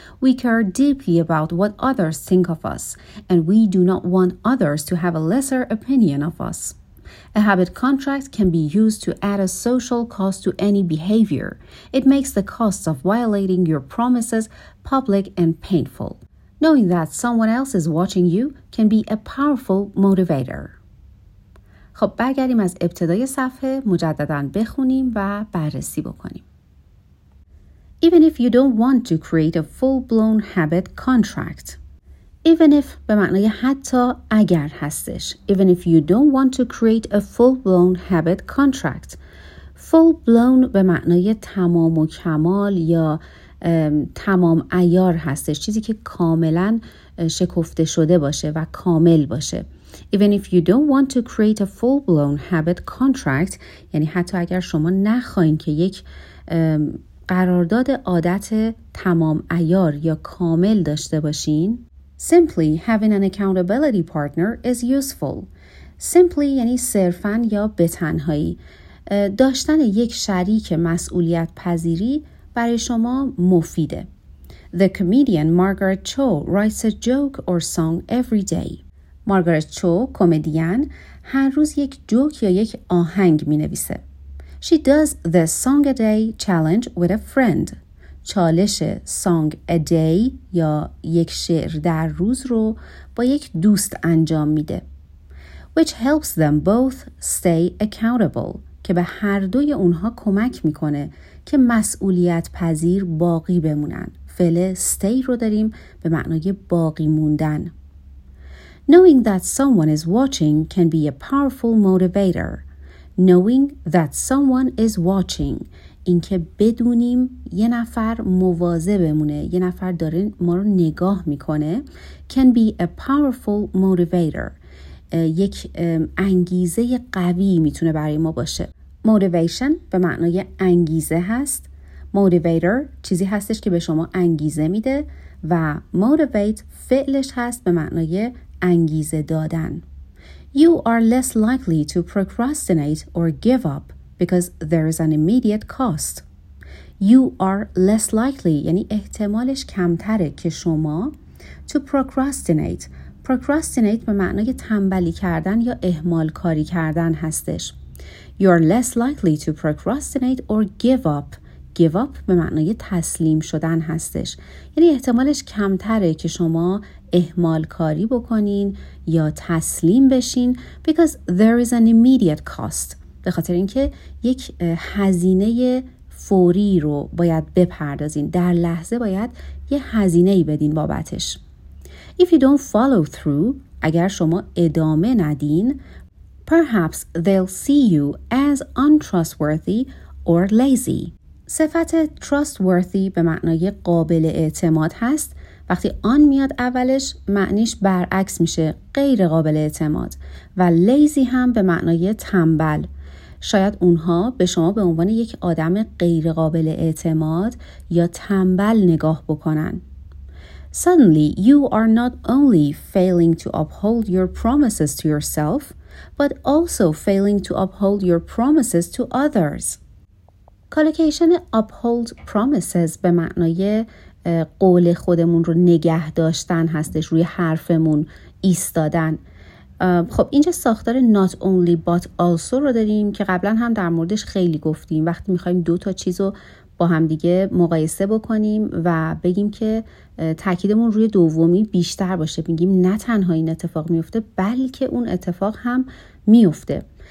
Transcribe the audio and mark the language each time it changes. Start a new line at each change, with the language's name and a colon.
English: We care deeply about what others think of us, and we do not want others to have a lesser opinion of us. A habit contract can be used to add a social cost to any behavior. It makes the costs of violating your promises public and painful. Knowing that someone else is watching you can be a powerful motivator.
Persian: خب برگردیم از ابتدای صفحه مجدداً بخونیم و بررسی بکنیم.
English: Even if you don't want to create a full-blown habit contract. Even if
Persian: به معنی حتی اگر هستش.
English: Even if you don't want to create a full-blown habit contract.
Persian: Full-blown به معنی تمام و کمال یا تمام عیار هستش. چیزی که کاملا شکفته شده باشه و کامل باشه.
English: Even if you don't want to create a full-blown habit contract.
Persian: یعنی حتی اگر شما نخواهید که یک قرارداد عادت تمام عیار یا کامل داشته باشین.
English: Simply having an accountability partner is useful.
Persian: Simply یعنی صرفاً یا به تنهایی. داشتن یک شریک مسئولیت پذیری برای شما مفیده.
English: The comedian Margaret Cho writes a joke or song every day.
Persian: Margaret Cho, کمدین، هر روز یک جوک یا یک آهنگ می نویسه.
English: She does the song a day challenge with a friend.
Persian: چالش
English: song a day
Persian: یا یک شعر در روز رو با یک دوست انجام میده.
English: Which helps them both stay accountable
Persian: که به هر دوی اونها کمک میکنه که مسئولیت پذیر باقی بمونن. فعل stay رو داریم به معنای باقی موندن.
English: Knowing that someone is watching can be a powerful motivator. Knowing that someone is watching
Persian: اینکه بدونیم یه نفر مواظب بمونه، یه نفر داره ما رو نگاه میکنه،
English: can be a powerful motivator،
Persian: یک انگیزه قوی میتونه برای ما باشه. motivation به معنای انگیزه هست، motivator چیزی هستش که به شما انگیزه میده و motivate فعلش هست به معنای انگیزه دادن.
English: You are less likely to procrastinate or give up because there is an immediate cost. You are less likely
Persian: یعنی احتمالش کمتره که شما
English: to procrastinate.
Persian: Procrastinate به معنای تنبلی کردن یا اهمال کاری کردن هستش.
English: You are less likely to procrastinate or give up.
Persian: Give up به معنای تسلیم شدن هستش. یعنی احتمالش کمتره که شما اهمال کاری بکنین یا تسلیم بشین
English: because there is an immediate cost.
Persian: به خاطر اینکه یک هزینه فوری رو باید بپردازین. در لحظه باید یه هزینه‌ای بدین بابتش.
English: If you don't follow through،
Persian: اگر شما ادامه ندین،
English: perhaps they'll see you as untrustworthy or lazy.
Persian: صفت trustworthy به معنای قابل اعتماد هست. وقتی آن میاد اولش معنیش برعکس میشه، غیر قابل اعتماد، و lazy هم به معنای تنبل. شاید اونها به شما به عنوان یک آدم غیر قابل اعتماد یا تنبل نگاه بکنن.
English: Suddenly you are not only failing to uphold your promises to yourself but also failing to uphold your promises to others.
Persian: کالوکیشن
English: uphold promises
Persian: به معنای قول خودمون رو نگه داشتن هستش، روی حرفمون ایستادن. خب اینجا ساختار not only but also رو داریم که قبلا هم در موردش خیلی گفتیم. وقتی میخواییم دو تا چیز رو با هم دیگه مقایسه بکنیم و بگیم که تاکیدمون روی دومی بیشتر باشه، میگیم نه تنها این اتفاق میفته بلکه اون اتفاق هم میفته.